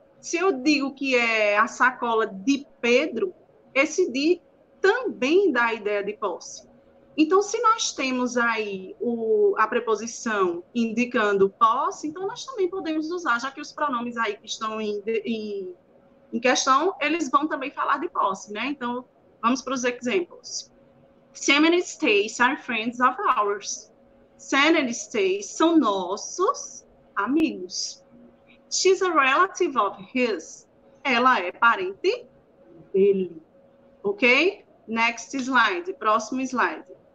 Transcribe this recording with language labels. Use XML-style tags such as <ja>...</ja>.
<pt>Se eu digo que é a sacola de Pedro, esse de também dá a ideia de posse. Então, se nós temos aí a preposição indicando posse, então nós também podemos usar, já que os pronomes aí que estão em questão, eles vão também falar de posse, né? Então, vamos para os exemplos.</pt> <en>Sam and Stace are friends of ours.</en> <pt>Sam and Stace são nossos amigos.</pt> <en>She's a relative of his.</en> <pt>Ela é parente dele.</pt> <en>Ok? Next slide.</en> <pt>Próximo slide.</pt>